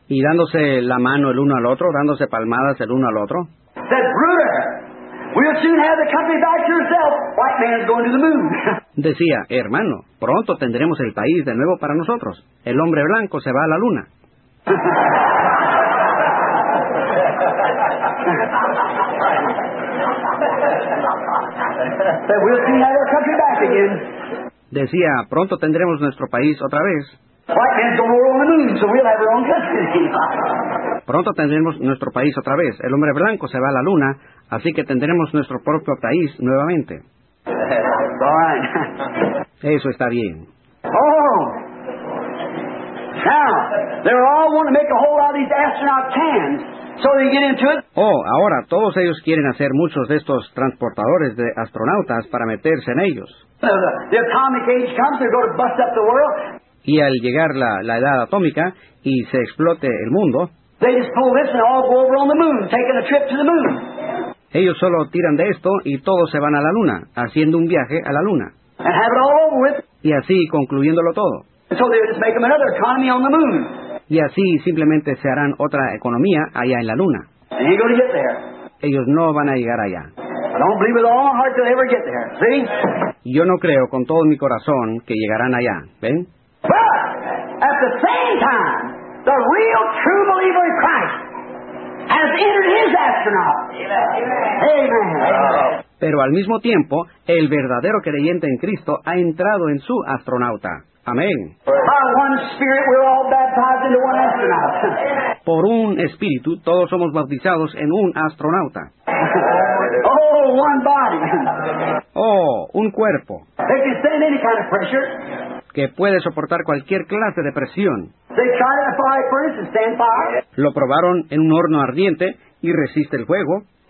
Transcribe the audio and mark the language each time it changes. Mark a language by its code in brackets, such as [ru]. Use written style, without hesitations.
[es] Y dándose la mano el uno al otro, dándose palmadas el uno al otro. [en] Said, Bruder, we'll soon have the country back to yourself. White man's going to the moon. [es] Decía, hermano, pronto tendremos el país de nuevo para nosotros. El hombre blanco se va a la luna. [en] That we'll see our country back again. [es] Decía, pronto tendremos nuestro país otra vez. [en] White man's gonna rule on the moon, so we'll have our own country. [es] Pronto tendremos nuestro país otra vez. El hombre blanco se va a la luna, así que tendremos nuestro propio país nuevamente. [en] That's all right. [es] Eso está bien. Oh! [en] Now, they're all wanting to make a whole lot of these astronaut cans, so they get into it. [es] Oh, ahora todos ellos quieren hacer muchos de estos transportadores de astronautas para meterse en ellos. [en] The atomic age comes, they're going to bust up the world. [es] Y al llegar la edad atómica y se explote el mundo, [en] they just pull this and all go over on the moon, taking a trip to the moon. [es] Ellos solo tiran de esto y todos se van a la luna, haciendo un viaje a la luna. [en] And have it all over with. [es] Y así concluyéndolo todo. [en] So they just make them another economy on the moon. [es] Y así simplemente se harán otra economía allá en la luna. [en] And you're going to get there. [es] Ellos no van a llegar allá. [en] I don't believe with all my heart they'll ever get there. See? [es] Yo no creo con todo mi corazón que llegarán allá. ¿Ven? [en] But at the same time, the real true believer in Christ has entered his astronaut. Amen. Amen. Amen. [es] Pero al mismo tiempo, el verdadero creyente en Cristo ha entrado en su astronauta. Amén. [en] By one spirit, we're all baptized into one astronaut. [es] Por un espíritu, todos somos bautizados en un astronauta. [en] Oh, one body. [es] Oh, un cuerpo. [en] They can stand any kind of pressure. [es] Que puede soportar cualquier clase de presión. [en] They tried it in a fire furnace and stand fire. [es] Lo probaron en un horno ardiente y resiste el fuego.